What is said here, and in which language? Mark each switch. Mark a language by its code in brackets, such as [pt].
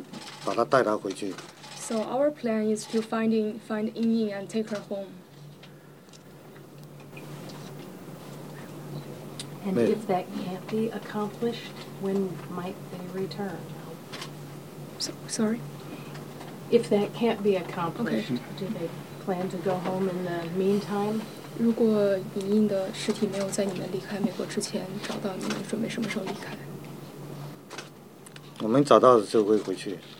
[zh] 你就说你的计划。我们的计划是能找到莹莹，把她带她回去。 [en] So our plan is to find Ying and take her home. And if that can't be accomplished, when might they return? Sorry. If that can't be accomplished, okay. Do they plan to go home in the meantime? [zh] 如果莹莹的尸体没有在你们离开美国之前找到你们，准备什么时候离开？我们找到的时候会回去。